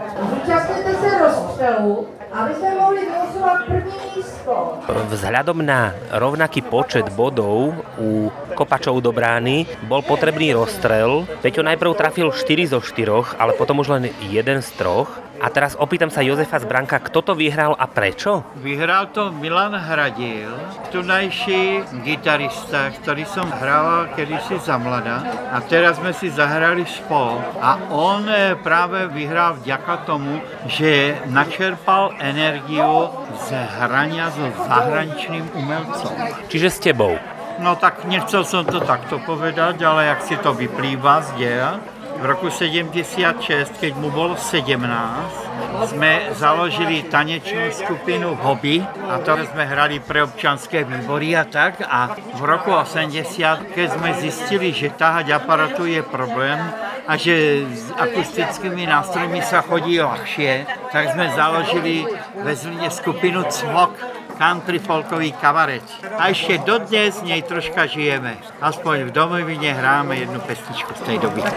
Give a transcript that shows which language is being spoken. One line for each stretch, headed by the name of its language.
Czech: Zúčastněte se rozstřelu, aby jsme mohli vylosovat první místo.
Slovak: Vzhledem na rovnaký počet bodů u kopačov do brány, bol potrebný rozstrel. Peťo najprv trafil 4 zo 4, ale potom už len 1 z 3. A teraz opýtam sa Jozefa z Branka, kto to vyhral a prečo? Vyhral to Milan Hradil, tunajší gitarista, ktorý som hrával kedysi za mladá. A teraz sme si zahrali spolu. A on práve vyhral vďaka tomu, že načerpal energiu z hrania so zahraničným umelcom. Čiže s tebou. No tak nechcel som to takto povedať, ale jak si to vyplýva z deja. V roku 76, keď mu bolo 17, sme založili tanečnú skupinu Hobby a to sme hrali pre občanské výbory a tak. A v roku 80, keď sme zistili, že táhať aparatu je problém a že s akustickými nástrojmi sa chodí ľahšie, tak sme založili ve Zlíne skupinu Cvok. Country folkový kavareč. A ešte dodnes nej troška žijeme. Aspoň v domovine hráme jednu pesničku z tej doby.